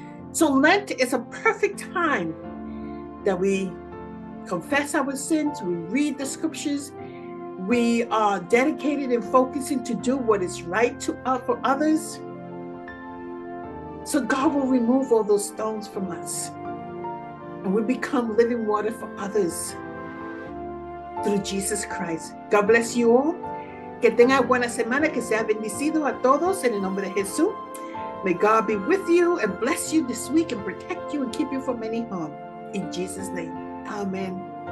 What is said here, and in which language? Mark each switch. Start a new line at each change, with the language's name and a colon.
English: So Lent is a perfect time that we confess our sins, we read the scriptures, we are dedicated and focusing to do what is right to for others. So God will remove all those stones from us and we become living water for others through Jesus Christ. God bless you all.
Spanish: Que tenga buena semana, que sea bendecido a todos en el nombre de Jesús.
English: May God be with you and bless you this week and protect you and keep you from any harm. In Jesus' name. Amen.